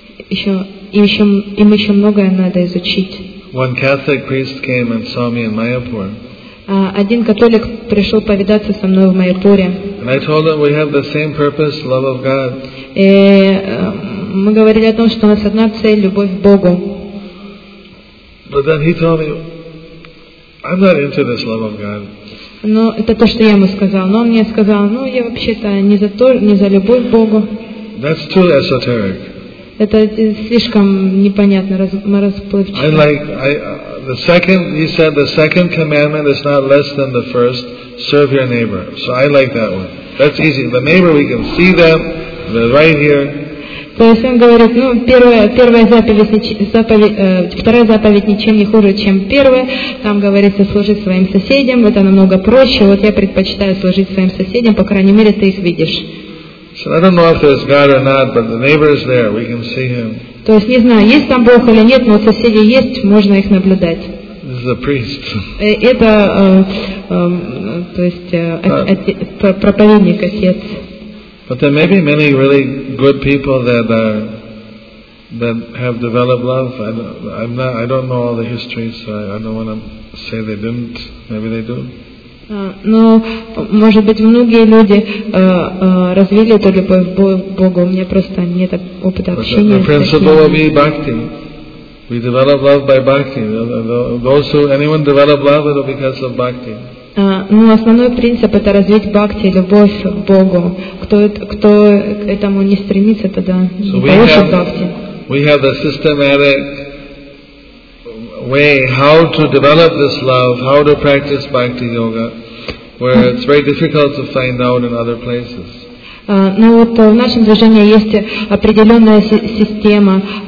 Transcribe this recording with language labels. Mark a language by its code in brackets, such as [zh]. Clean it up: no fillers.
[ru] Им еще многое надо изучить. [en] One Catholic priest came and saw me in Mayapur. [ru] Один католик пришел повидаться со мной в Майяпуре. [en] And I told him we have the same purpose, love of God. [ru] Мы говорили о том, что у нас одна цель, любовь к Богу. [en] But then he told me, I'm not into this love of God. [ru] Но это то, что я ему сказал. Но он мне сказал, ну я вообще-то не за любовь к Богу. [en] That's too esoteric. [ru] Это слишком непонятно, расплывчато. [en] The second, he said, the second commandment is not less than the first. Serve your neighbor. So I like that one. That's easy. The neighbor, we can see them. They're right here. [ru] То есть он говорит, ну первая заповедь, вторая заповедь ничем не хуже, чем первая. Там говорится, служи своим соседям. Это намного проще. Вот я предпочитаю служить своим соседям. По крайней мере, ты их видишь. [en] So I don't know if there's God or not, but the neighbor is there. We can see him. [ru] То есть не знаю, есть там Бог или нет, но соседи есть, можно их наблюдать. [en] This is a priest. [ru] Это, то есть, проповедник, отец. [en] But there may be many really good people that have developed love. I don't know all the history, so I don't want to say they didn't. Maybe they do. [ru] Но, может быть, многие люди развили эту любовь к Богу. У меня просто нет опыта общения. [en] The principle will be bhakti. We develop love by bhakti. Those who anyone develop love, it will be because of bhakti. [ru] Ну, основной принцип это развить бхакти, любовь к Богу. Кто к этому не стремится, тогда не получит бхакти. [en] We have the systematic way how to develop this love, how to practice bhakti yoga, where it's very difficult to find out in other places. [ru] Ну вот в нашем движении есть определенная система.